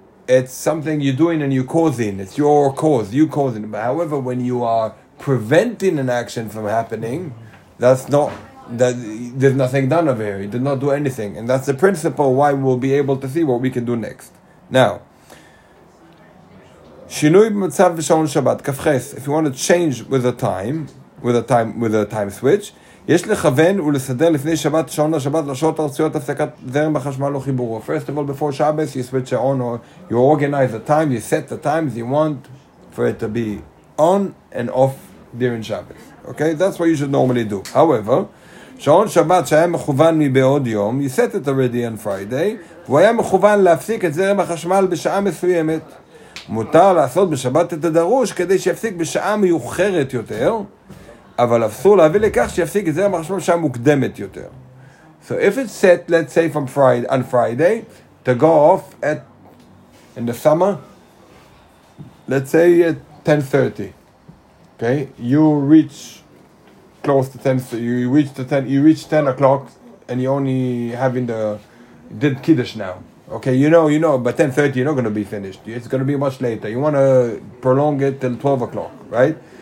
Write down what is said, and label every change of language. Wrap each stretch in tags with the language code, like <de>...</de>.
<en>It's something you're doing and you're causing. It's your cause, you causing it. But however, when you are preventing an action from happening, that's not, that there's nothing done over here. You did not do anything. And that's the principle why we'll be able to see what we can do next. Now,</en> <he>שינוי במצב בשעון שבת, כפחס,</he> <en>if you want to change with a time switch,</en> <he>יש לכוון ולסדר לפני שבת שעון לשבת לשעות הרצויות הפסקת זרם בחשמל או חיבור.</he> <en>First of all, before Shabbos, you switch it on, or you organize the time, you set the times you want for it to be on and off during Shabbos. Okay, that's what you should normally do. However,</en> <he>שעון שבת שהיה מכוון מבעוד יום,</he> <en>you set it already on Friday,</en> <he>והוא היה מכוון להפסיק את זרם החשמל בשעה מסוימת. מותר לעשות בשבת את הדרוש כדי שיפסיק בשעה מיוחרת יותר, אבל אסור להביא לכך שיפסיק את זרם החשמל בשעה מוקדמת יותר.</he> <en>So if it's set, let's say from Friday, on Friday, to go off at, in the summer, let's say at 10:30, okay, you reach close to 10, so you reach the 10, you reach 10 o'clock and you only having the did kiddush now, okay, you know by 10:30 you're not going to be finished, it's going to be much later, you want to prolong it till 12 o'clock, right?</en>